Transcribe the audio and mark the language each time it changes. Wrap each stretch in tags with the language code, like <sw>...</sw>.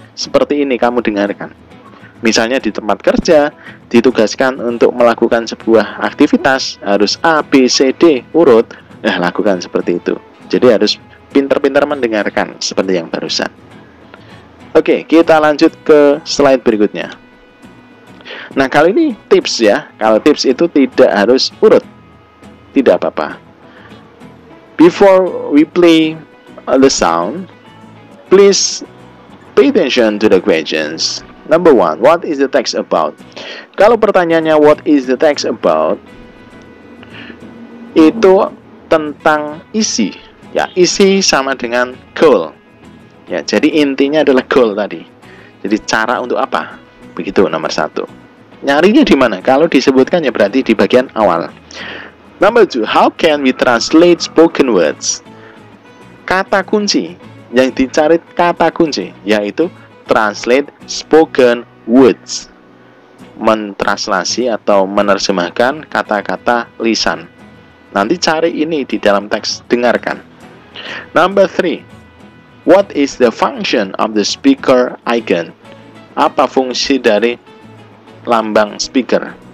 <id>Seperti ini, kamu dengarkan. Misalnya di tempat kerja, ditugaskan untuk melakukan sebuah aktivitas, harus A, B, C, D, urut. Nah, lakukan seperti itu. Jadi, harus pintar-pintar mendengarkan seperti yang barusan. Oke, kita lanjut ke slide berikutnya. Nah, kali ini tips ya. Kalau tips itu tidak harus urut. Tidak apa-apa.</id> <en>Before we play the sound, please pay attention to the questions. Number one, what is the text about?</en> <id>Kalau pertanyaannya</id> <en>what is the text about?</en> <id>Itu tentang isi. Ya, isi sama dengan goal. Ya, jadi intinya adalah goal tadi. Jadi cara untuk apa? Begitu nomor satu. Nyarinya di mana? Kalau disebutkan ya berarti di bagian awal.</id> <en>Number two, how can we translate spoken words?</en> <id>Kata kunci yang dicari kata kunci yaitu</id> <en>translate spoken words,</en> <id>mentranslasi atau menerjemahkan kata-kata lisan. Nanti cari ini di dalam teks, dengarkan.</id> <en>Number three, what is the function of the speaker icon?</en> <id>Apa fungsi dari lambang speaker?</id>